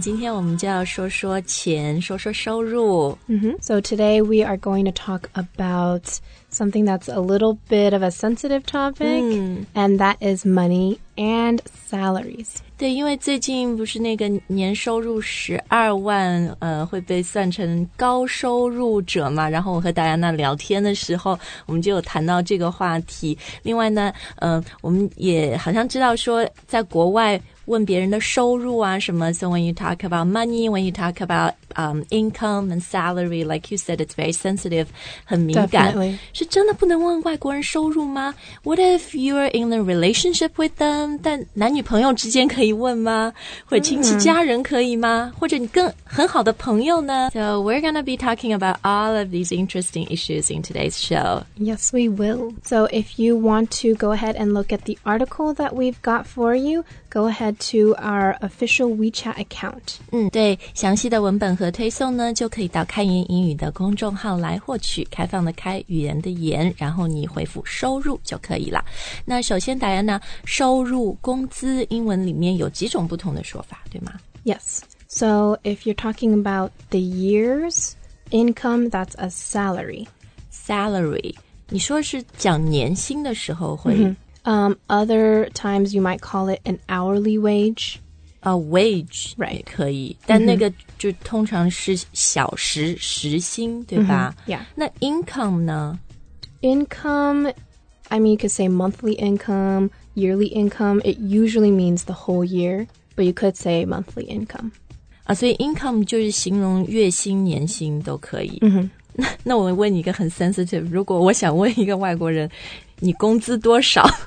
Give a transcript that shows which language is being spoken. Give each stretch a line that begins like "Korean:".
Chinese: 今天我们就要说说钱，说说收入。
English: So today we are going to talk about something that's a little bit of a sensitive topic,and that is money and salaries.
Chinese: 对，因为最近不是那个年收入12万，会被算成高收入者嘛？然后我和 Diana 聊天的时候，我们就有谈到这个话题。另外呢，我们也好像知道说，在国外问别人的收入啊什么，
English: so when you talk about money, when you talk about income and salary, like you said, it's very sensitive,
Chinese: 很敏感。
English: Definitely.
Chinese: 是真的不能问外国人收入吗？
English: What if you're in a relationship with them?
Chinese: 但男女朋友之间可以问吗？或者亲戚家人可以吗？或者你更很好的朋友呢？
English: So we're going to be talking about all of these interesting issues in today's show. Yes, we will. So if you want to go ahead and look at the article that we've got for you, go aheadto our official WeChat account.
Chinese: 对，详细的文本和推送呢，就可以到开言英语的公众号来获取，开放的开，语言的言，然后你回复收入就可以了。那首先Diana，收入，工资，英文里面有几种不同的说法，对吗？
English: Yes. So if you're talking about the year's income, that's a salary. Salary.
Chinese: 你说是讲年薪的时候会、 mm-hmm.
English: Other times you might call it an hourly wage. A wage, right?
Chinese: 可以，但那个就通常是小时时薪，对吧？
English: Yeah.
Chinese: 那 income 呢？
English: Income, I mean, you could say monthly income, yearly income. It usually means the whole year, but you could say monthly income.
Chinese: 啊，所以 income 就是形容月薪、年薪都可以。那我问你一个很 sensitive， 如果我想问一个外国人。你工资多少?